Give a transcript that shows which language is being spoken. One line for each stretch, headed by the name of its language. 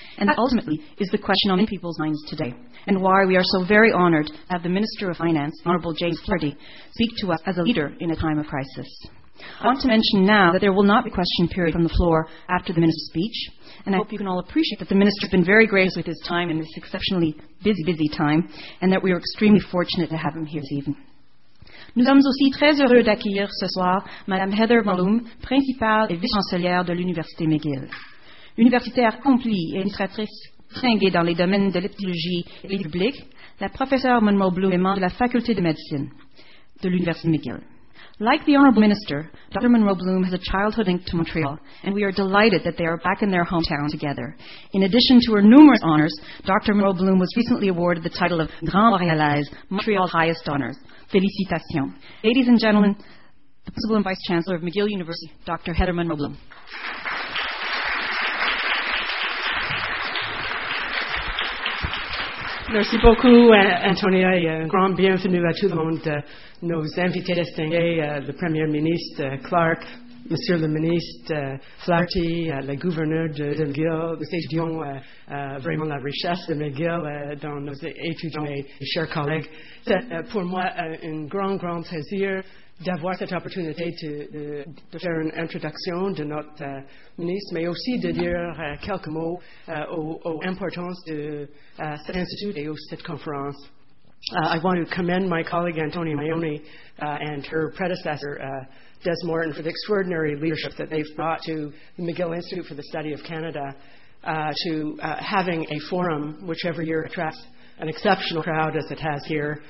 English: And that ultimately is the question on many people's minds today, and why we are so very honored to have the Minister of Finance, Honorable James Flaherty, speak to us as a leader in a time of crisis. I want to mention now that there will not be a question period from the floor after the Minister's speech, and I hope you can all appreciate that the Minister has been very gracious with his time in this exceptionally busy, busy time, and that we are extremely fortunate to have him here this evening.
French: Nous sommes aussi très heureux d'accueillir ce soir Mme Heather Malum, principale et vice-chancelière de l'Université McGill. Universitaire accomplie et administratrice distinguée dans les domaines de l'épidémiologie et de public, la professeure Monroe Bloom est membre de la Faculté de médecine de l'Université McGill.
English: Like the Honorable Minister, Dr. Monroe Bloom has a childhood link to Montreal, and we are delighted that they are back in their hometown together. In addition to her numerous honors, Dr. Monroe Bloom was recently awarded the title of Grand Montréalaise, Montreal's highest honors.
French: Félicitations.
English: Ladies and gentlemen, the Principal and Vice Chancellor of McGill University, Dr. Heather Monroe Bloom.
French: Merci beaucoup, Antonia, et grand bienvenue à tout le monde. Nos invités distingués, le Premier ministre Clark, Monsieur le ministre Flaherty, le gouverneur de McGill, nous étudions vraiment la richesse de McGill dans nos étudiants et mes chers collègues. C'est pour moi un grand, grand plaisir d'avoir cette opportunité de faire une introduction de notre ministre, mais aussi de dire quelques mots aux importances de cet institut et aussi cette conférence.
English: I want to commend my colleague Antonia Mahoney and her predecessor Des Morton for the extraordinary leadership that they've brought to the McGill Institute for the Study of Canada, to having a forum which every year attracts an exceptional crowd as it has here.